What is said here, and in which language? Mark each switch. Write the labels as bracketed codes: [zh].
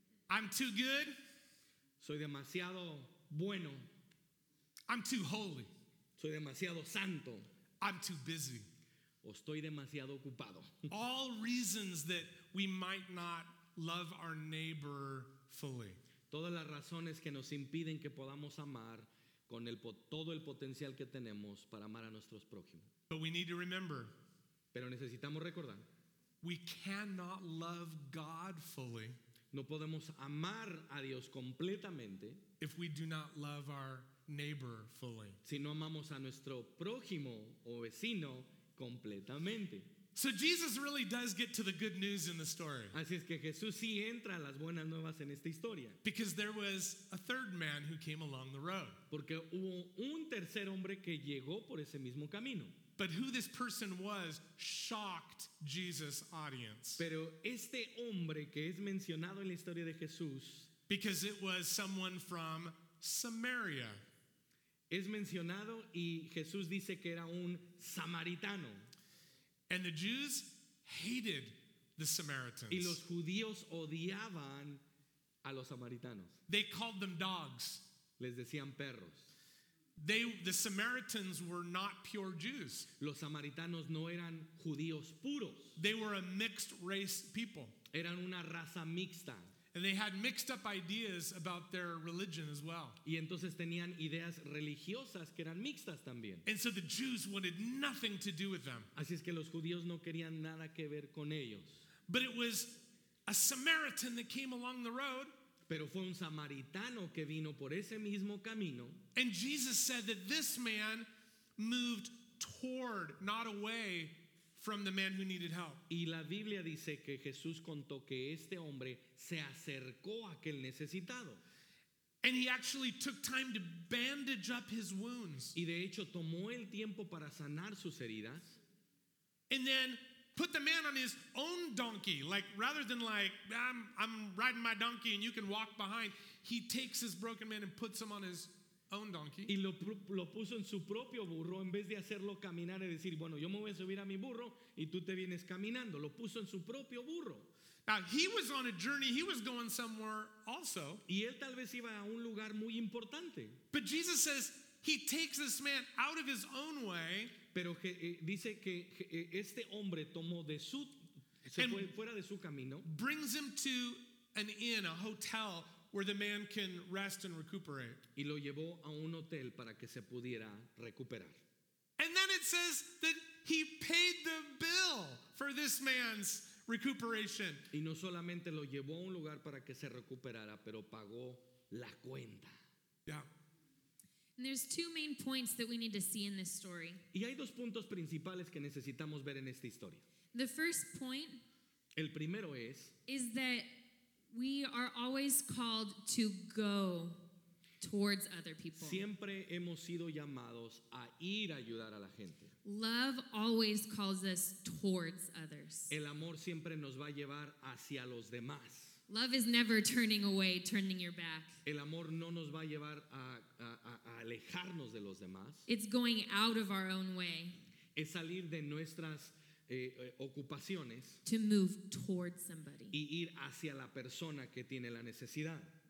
[en] I'm too good. [es] Soy demasiado bueno. [en] I'm too holy. [es] Soy demasiado santo. [en] I'm too busy. [es] O estoy demasiado ocupado. [en] All reasons that we might not love our neighbor fully. [es] Todas las razones que nos impiden que podamos amar con el todo el potencial que tenemos para amar a nuestros prójimos. [en] But we need to remember. [es] Pero necesitamos recordar. [en] We cannot love God fully. [es] No podemos amar a Dios completamente. [en] If we do not love our neighbor fully. [es] Si no amamos a nuestro prójimo o vecino completamente. [en] So Jesus really does get to the good news in the story. [es] Así es que Jesús sí entra a las buenas nuevas en esta historia. [en] Because there was a third man who came along the road. [es] Porque hubo un tercer hombre que llegó por ese mismo camino. [en] But who this person was shocked Jesus' audience. [es] Pero este hombre que es mencionado en la historia de Jesús. [en] Because it was someone from Samaria. [es] Es mencionado y Jesús dice que era un samaritano. [en] And the Jews hated the Samaritans. [es] Y los judíos odiaban a los samaritanos. [en] They called them dogs. [es] Les decían perros. [en] The Samaritans were not pure Jews. [es] Los samaritanos no eran judíos puros. [en] They were a mixed race people. [es] Eran una raza mixta. [en] And they had mixed up ideas about their religion as well. [es] Y entonces tenían ideas religiosas que eran mixtas también. [en] And so the Jews wanted nothing to do with them. [es] Así es que los judíos no querían nada que ver con ellos. [en] But it was a Samaritan that came along the road. [es] Pero fue un samaritano que vino por ese mismo camino. [en] And Jesus said that this man moved toward, not away, from the man who needed help. [es] Y la Biblia dice que Jesús contó que este hombre se acercó a aquel necesitado. [en] And he actually took time to bandage up his wounds. [es] Y de hecho tomó el tiempo para sanar sus heridas. [en] And then put the man on his own donkey, like rather than like I'm riding my donkey and you can walk behind, he takes his broken man and puts him on his own donkey. [es] Y lo puso en su propio burro en vez de hacerlo caminar y decir, bueno, yo me voy a subir a mi burro y tú te vienes caminando. Lo puso en su propio burro. [en] Now he was on a journey. He was going somewhere also. [es] Y él tal vez iba a un lugar muy importante. [en] But Jesus says he takes this man out of his own way. [es] Pero que, dice que este hombre tomó de su se fue fuera de su camino. [en] Brings him to an inn, a hotel, where the man can rest and recuperate. [es] Y lo llevó a un hotel para que se pudiera recuperar. [en] And then it says that he paid the bill for this man's recuperation. [es] Y no solamente lo llevó a un lugar para que se recuperara, pero pagó la cuenta. [en] Yeah. And there's two main points that we need to see in this story. [es] Y hay dos puntos principales que necesitamos ver en esta historia. [en] The first point. [es] El primero es. [en] Is that we are always called to go towards other people. [es] Siempre hemos sido llamados a ir a ayudar a la gente. [en] Love always calls us towards others. [es] El amor siempre nos va a llevar hacia los demás. [en] Love is never turning away, turning your back. [es] El amor no nos va a llevar a alejarnos de los demás. [en] It's going out of our own way. [es] Es salir de nuestras ocupaciones. [en] To move towards somebody. [es] Y ir hacia la persona que tiene la necesidad.